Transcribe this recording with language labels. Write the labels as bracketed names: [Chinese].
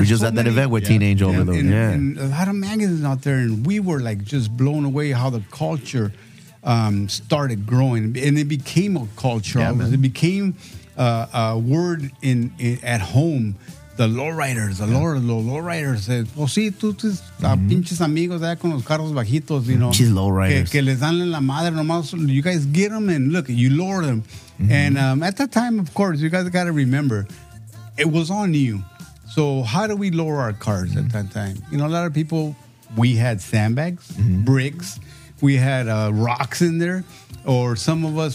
[English] We just had that event with Teen Angel. Yeah. And a lot of magazines out there. And we were, like, just blown away how the culture started growing. And it became a culture. Yeah, it became a word in at home. The lowriders, the lowriders. [Spanish] Pues sí, tú tienes pinches amigos allá con los carros bajitos, [English] you know. She's lowriders. [Spanish] Que les dan la madre nomás. [English] You guys get them and look, you lower them. Mm-hmm. And at that time, of course, you guys got to remember, it was on you. So how do we lower our cars at that time? You know, a lot of people, we had sandbags, bricks. We had rocks in there. Or some of us